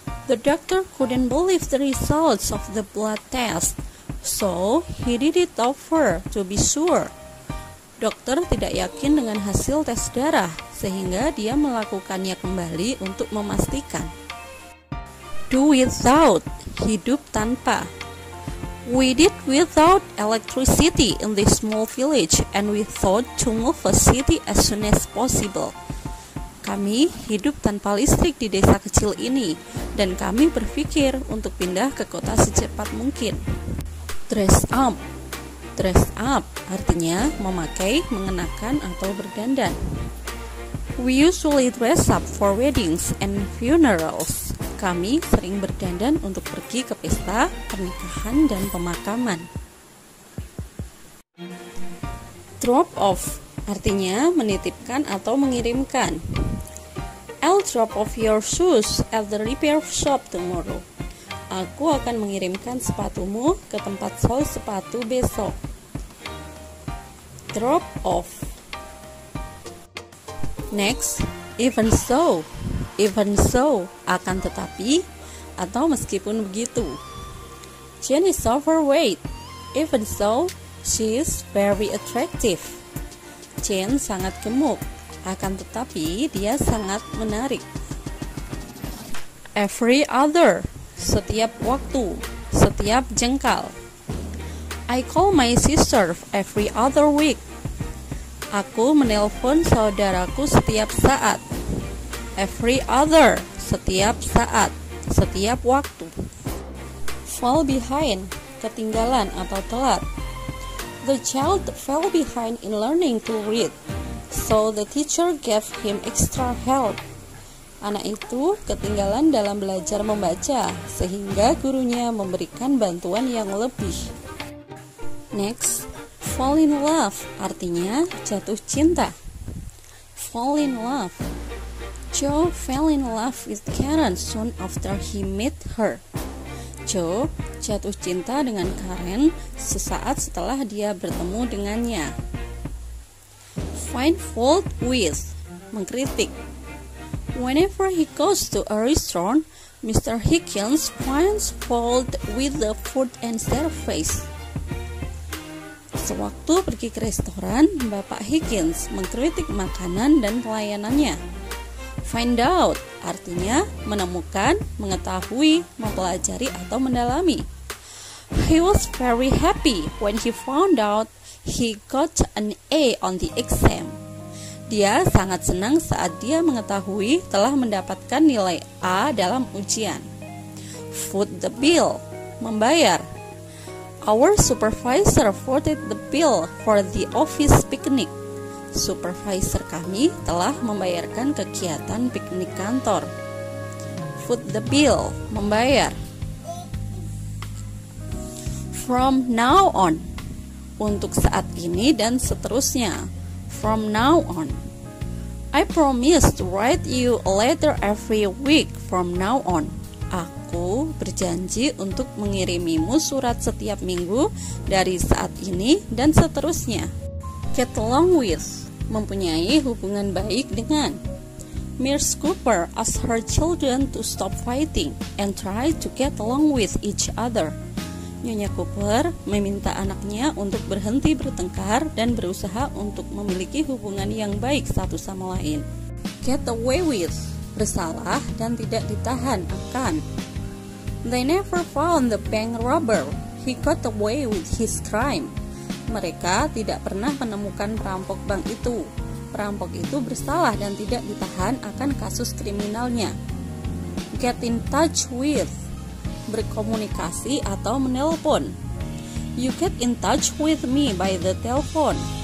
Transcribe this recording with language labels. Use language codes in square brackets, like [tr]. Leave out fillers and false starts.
[en] The doctor couldn't believe the results of the blood test, so he did it over to be sure. [id] Dokter tidak yakin dengan hasil tes darah, sehingga dia melakukannya kembali untuk memastikan. [en] Do without, [id] hidup tanpa. [en] We did without electricity in this small village and we thought to move a city as soon as possible. [id] Kami hidup tanpa listrik di desa kecil ini dan kami berpikir untuk pindah ke kota secepat mungkin. [en] Dress up. Dress up [id] artinya memakai, mengenakan, atau berdandan. [en] We usually dress up for weddings and funerals. [id] Kami sering berdandan untuk pergi ke pesta, pernikahan, dan pemakaman. [en] Drop off, [id] artinya menitipkan atau mengirimkan. [en] I'll drop off your shoes at the repair shop tomorrow. [id] Aku akan mengirimkan sepatumu ke tempat sol sepatu besok. [en] Drop off. Next, even so. Even so, [id] akan tetapi atau meskipun begitu. [en] Jen is overweight. Even so, she is very attractive. [id] Jen sangat gemuk. Akan tetapi, dia sangat menarik. [en] Every other. [id] Setiap waktu. Setiap jengkal. [en] I call my sister every other week. [id] Aku menelpon saudaraku setiap saat. [en] Every other. [id] Setiap saat. Setiap waktu. [en] Fall behind. [id] Ketinggalan atau telat. [en] The child fell behind in learning to read, so the teacher gave him extra help. [id] Anak itu ketinggalan dalam belajar membaca, sehingga gurunya memberikan bantuan yang lebih. [en] Next, fall in love, [id] artinya jatuh cinta. [en] Fall in love. Joe fell in love with Karen soon after he met her. [id] Joe jatuh cinta dengan Karen sesaat setelah dia bertemu dengannya. [en] Find fault with, [id] mengkritik. [en] Whenever he goes to a restaurant, Mr. Hickens finds fault with the food and service. [id] Sewaktu pergi ke restoran, Bapak Hickens mengkritik makanan dan pelayanannya. [en] Find out, [id] artinya menemukan, mengetahui, mempelajari atau mendalami. [en] He was very happy when he found out he got an A on the exam. [id] Dia sangat senang saat dia mengetahui telah mendapatkan nilai A dalam ujian. [en] Foot the bill, [id] membayar. [en] Our supervisor footed the bill for the office picnic. [id] Supervisor kami telah membayarkan kegiatan piknik kantor. [en] Foot the bill, [id] membayar. [en] From now on, [id] untuk saat ini dan seterusnya. [en] From now on. I promise to write you a letter every week from now on. [id] Aku berjanji untuk mengirimimu surat setiap minggu dari saat ini dan seterusnya. [en] Get along with, [id] mempunyai hubungan baik dengan. [en] Mrs. Cooper asks her children to stop fighting and try to get along with each other. [id] Nyonya Cooper meminta anaknya untuk berhenti bertengkar dan berusaha untuk memiliki hubungan yang baik satu sama lain. [en] Get away with, [id] bersalah dan tidak ditahan akan. [en] They never found the bank robber. He got away with his crime. [id] Mereka tidak pernah menemukan perampok bank itu. Perampok itu bersalah dan tidak ditahan akan kasus kriminalnya. [en] Get in touch with, [id] berkomunikasi atau menelpon. [en] You get in touch with me by the telephone.